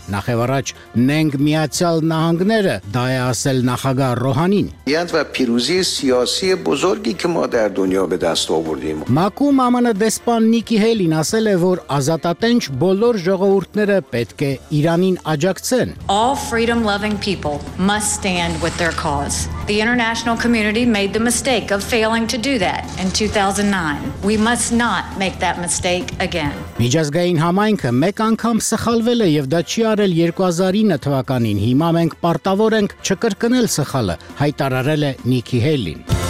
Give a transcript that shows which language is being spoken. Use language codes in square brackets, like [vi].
[hy] Նախևառաջ «Մենք Միացյալ Նահանգները» դա է ասել նախագահ Ռոհանին։ Մակում ԱՄՆ դեսպան Նիկի Հելին ասել է, որ ազատատենչ բոլոր ժողովուրդները պետք է Իրանին աջակցեն։ [en] All freedom-loving people must stand with their cause. The international community made the mistake of failing to do that in 2009. We must not make that mistake again. [hy] Միջազգային համայնքը մեկ անգամ սխալվել է եւ դա չի արել 2009 թվականին։ Հիմա մենք պարտավոր ենք չկրկնել սխալը, հայտարարել է Նիկի Հելին։